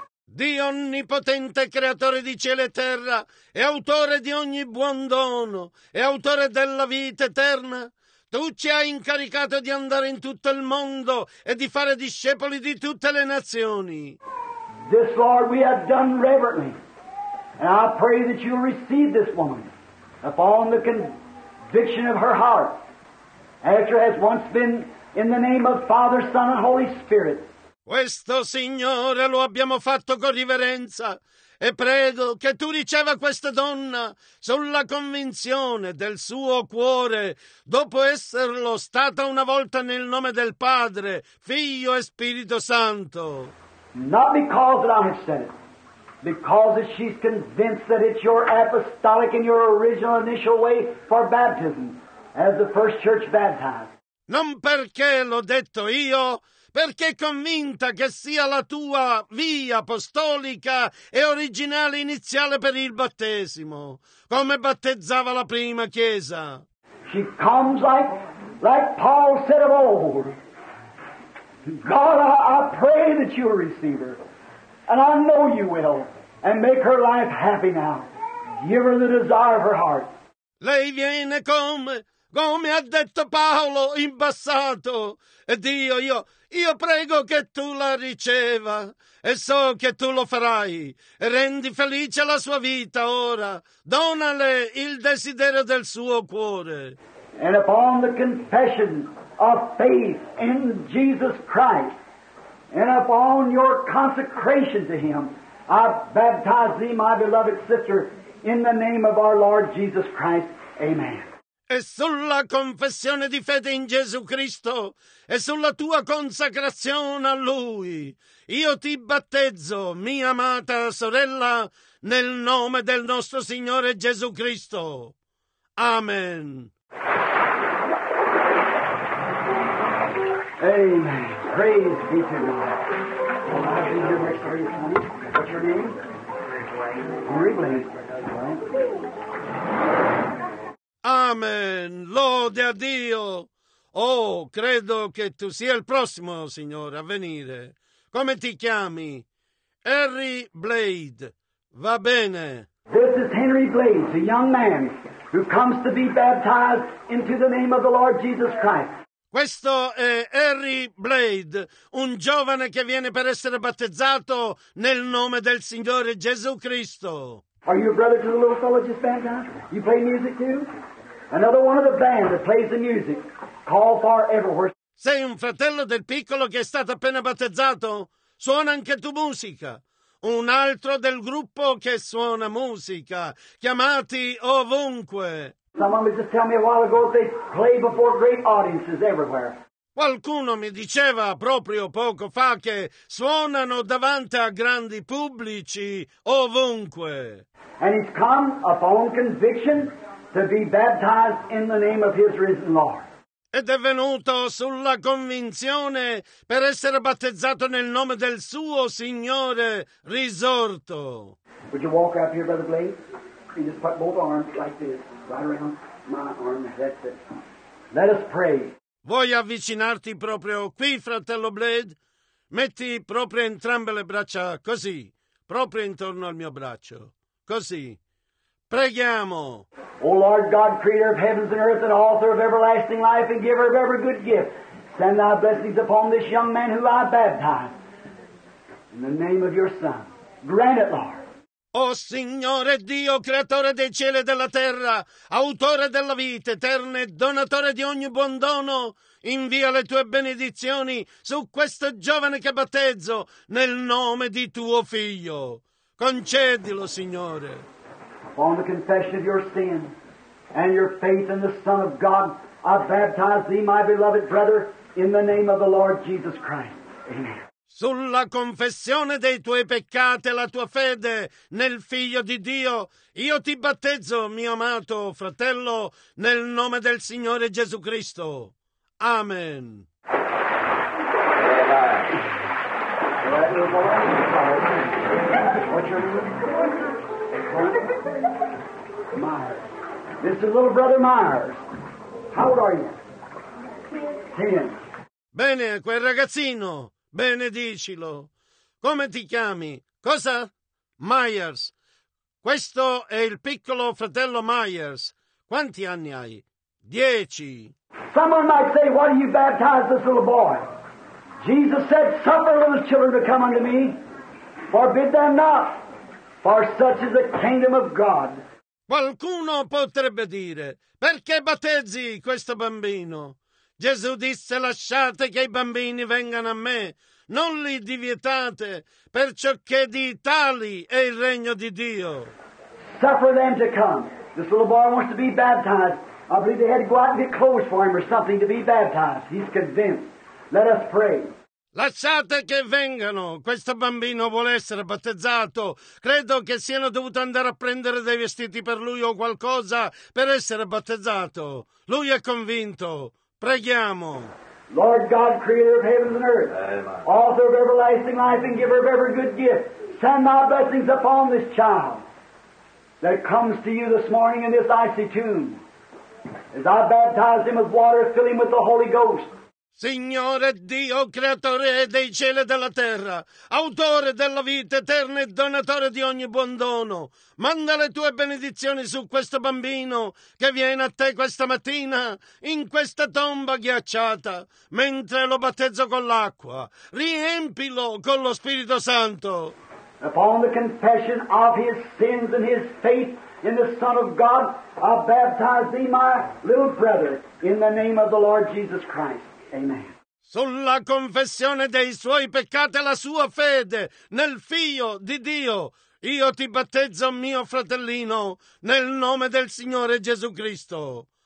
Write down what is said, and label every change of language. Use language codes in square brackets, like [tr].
[it] Dio onnipotente, creatore di cielo e terra, e autore di ogni buon dono, e autore della vita eterna, tu ci hai incaricato di andare in tutto il mondo e di fare discepoli di tutte le nazioni. [en] This Lord we have done reverently, and I pray that you receive this woman upon the conviction of her heart, after it has once been in the name of Father, Son, and Holy Spirit. [it] Questo Signore lo abbiamo fatto con riverenza e prego che tu riceva questa donna sulla convinzione del suo cuore dopo esserlo stata una volta nel nome del Padre, Figlio e Spirito Santo. [en] Not because that I have said it, because that she's convinced that it's your apostolic and your original initial way for baptism as the first church baptized. [it] Non perché l'ho detto io, perché è convinta che sia la tua via apostolica e originale iniziale per il battesimo, come battezzava la prima chiesa. [en] She comes like Paul said of old. God, I pray that you receive her, and I know you will, and make her life happy now. Give her the desire of her heart. [it] Lei viene come ha detto Paolo in passato, e Dio, io prego che tu la riceva, e so che tu lo farai, e rendi felice la sua vita ora, donale il desiderio del suo cuore. [en] And upon the confession of faith in Jesus Christ, and upon your consecration to him, I baptize thee, my beloved sister, in the name of our Lord Jesus Christ. Amen. [it] E sulla confessione di fede in Gesù Cristo e sulla tua consacrazione a Lui, io ti battezzo, mia amata sorella, nel nome del nostro Signore Gesù Cristo. Amen. [en] Amen. Praise be to God. What's your name? Rigley. [it] Amen, lode a Dio. Oh, credo che tu sia il prossimo, Signore, a venire. Come ti chiami? Harry Blade. Va bene. [en] This is Henry Blade, a young man who comes to be baptized into the name of the Lord Jesus Christ. [it] Questo è Harry Blade, un giovane che viene per essere battezzato nel nome del Signore Gesù Cristo. [en] Are you a brother to the little fellow just baptized? You play music too? Another one of the band that plays the music. Call far everywhere. [it] Sei un fratello del piccolo che è stato appena battezzato? Suona anche tu musica. Un altro del gruppo che suona musica. Chiamati ovunque. [en] Some of them just tell me a while ago they play before great audiences everywhere. [it] Qualcuno mi diceva proprio poco fa che suonano davanti a grandi pubblici ovunque. [en] And he's come upon conviction to be baptized in the name of his risen Lord. [it] Ed è venuto sulla convinzione per essere battezzato nel nome del suo Signore risorto. [en] Would you walk up here, Brother Blake? You just put both arms like this, right around my arm, that's it. Let us pray. [it] Vuoi avvicinarti proprio qui, fratello Blade? Metti proprio entrambe le braccia così, proprio intorno al mio braccio, così. Preghiamo. [en] O Lord God, creator of heavens and earth, and author of everlasting life, and giver of every good gift, send thy blessings upon this young man who I baptize in the name of your son. Grant it, Lord. [it] O Signore Dio, creatore dei cieli e della terra, autore della vita eterna e donatore di ogni buon dono, invia le tue benedizioni su questo giovane che battezzo nel nome di tuo figlio. Concedilo, Signore. [en] Upon the confession of your sin and your faith in the Son of God, I baptize thee, my beloved brother, in the name of the Lord Jesus Christ. Amen. [it] Sulla confessione dei tuoi peccati e la tua fede nel Figlio di Dio, io ti battezzo, mio amato fratello, nel nome del Signore Gesù Cristo. Amen. [en] Myers. This is little brother Myers. How old are you? Ten. [it] Bene, quel ragazzino. Benedicilo. Come ti chiami? Cosa? Myers. Questo è il piccolo fratello Myers. Quanti anni hai? 10. [en] Someone might say, why do you baptize this little boy? Jesus said, suffer little children to come unto me. Forbid them not, for such is the kingdom of God. [it] Qualcuno potrebbe dire, perché battezzi questo bambino? Gesù disse, lasciate che i bambini vengano a me. Non li divietate, perciò che di tali è il regno di Dio. [en] Suffer them to come. This little boy wants to be baptized. I believe they had to go out and get clothes for him or something to be baptized. He's convinced. Let us pray. [it] Lasciate che vengano. Questo bambino vuole essere battezzato. Credo che siano dovuto andare a prendere dei vestiti per lui o qualcosa per essere battezzato. Lui è convinto. Preghiamo. [en] Lord God, creator of heavens and earth, author of everlasting life and giver of every good gift, send thy blessings upon this child that comes to you this morning in this icy tomb. As I baptize him with water, fill him with the Holy Ghost. [it] Signore Dio, creatore dei cieli e della terra, autore della vita eterna e donatore di ogni buon dono, manda le tue benedizioni su questo bambino che viene a te questa mattina in questa tomba ghiacciata, mentre lo battezzo con l'acqua. Riempilo con lo Spirito Santo. [en] Upon the confession of his sins and his faith in the Son of God, I baptize thee, my little brother, in the name of the Lord Jesus Christ. Amen. [it] Sulla confessione dei suoi peccati e la sua fede nel Figlio di Dio, io ti battezzo, mio fratellino, nel nome del Signore Gesù Cristo.